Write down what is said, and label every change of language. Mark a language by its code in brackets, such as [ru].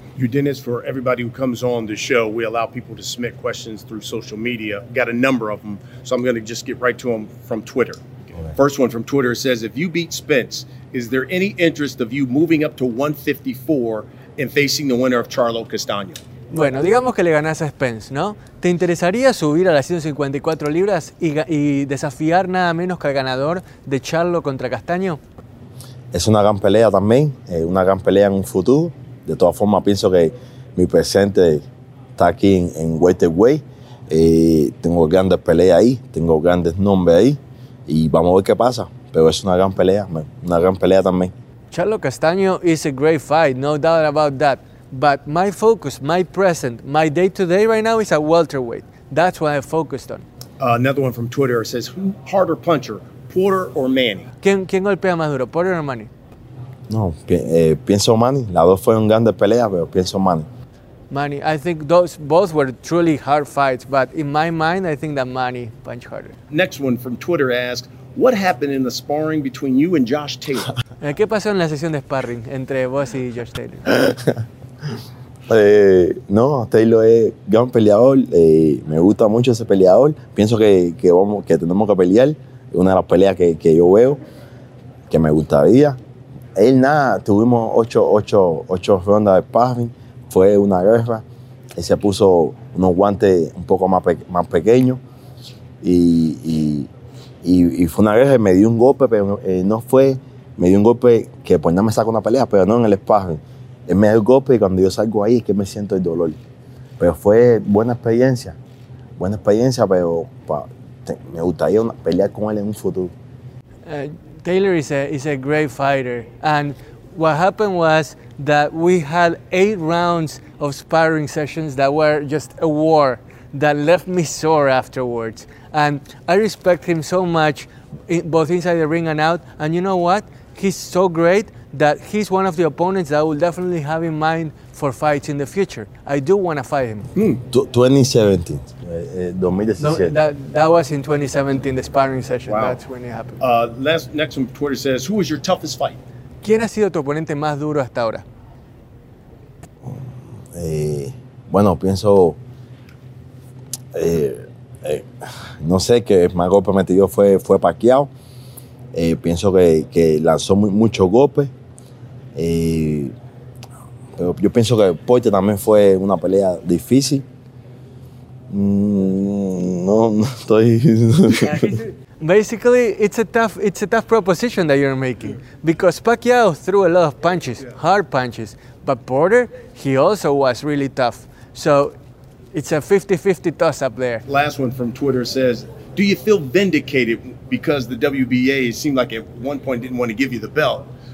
[en] Yordenis, for everybody who comes on the show, we allow people to submit questions through social media. Got a number of them, so I'm going to just get right to them from Twitter. Okay. First one from Twitter says, if you beat Spence, is there any interest of you moving up to 154 and facing the winner of Charlo Castaño? [es] Bueno, digamos que le ganás a Spence, ¿no? ¿Te interesaría subir a las 154 libras y desafiar nada menos que al ganador de Charlo contra Castaño? Es una gran pelea también, una gran pelea en un futuro. De todas formas, pienso que mi presente está aquí en Waterway. Tengo grandes peleas ahí, tengo grandes nombres ahí y vamos a ver qué pasa. Pero es una gran pelea, man. Una gran pelea también. [en] Charlo Castaño is a great fight, no doubt about that. But my focus, my present, my day-to-day right now is at welterweight. That's what I focused on. Another one from Twitter says, who harder puncher, Porter or Manny? [es] ¿Quién golpea más duro, Porter o Manny? No, pienso Manny. Las dos fueron grandes peleas, pero pienso Manny. [en] Manny, I think those both were truly hard fights, but in my mind, I think that Manny punched harder. Next one from Twitter asks, what happened in the sparring between you and Josh Taylor? [es] ¿Qué pasó en la sesión de sparring entre vos y Josh Taylor? No, Taylor es gran peleador, me gusta mucho ese peleador. Pienso que tenemos que pelear, es una de las peleas que yo veo, que me gustaría. Él nada, tuvimos ocho rondas de sparring, fue una guerra. Él se puso unos guantes un poco más pequeños y fue una guerra. Me dio un golpe, pero me dio un golpe que pues nada me sacó una pelea, pero no en el sparring. Él me da el golpe y cuando yo salgo ahí es que me siento el dolor. Pero fue buena experiencia, pero me gustaría pelear con él en un futuro. [en] Taylor is a great fighter. And what happened was that we had 8 rounds of sparring sessions that were just a war that left me sore afterwards. And I respect him so much, both inside the ring and out. And you know what? He's so great that he's one of the opponents that I will definitely have in mind for fights in the future. I do want to fight him. 2017. No, that was in 2017, the sparring session. Wow. That's when it happened. Next one, Twitter says, who was your toughest fight? [es] ¿Quién ha sido tu oponente más duro hasta ahora? Bueno, pienso... no sé, que el más golpe metido fue Pacquiao. Pienso que lanzó muchos golpes. Pero yo pienso que Poirier también fue una pelea difícil. No estoy. [en] Basically, it's a tough proposition that you're making because Pacquiao threw a lot of punches, hard punches, but Porter, he also was really tough. So it's a 50-50 toss up there. Last one from Twitter says, do you feel vindicated because the WBA seemed like at one point didn't want to give you the belt?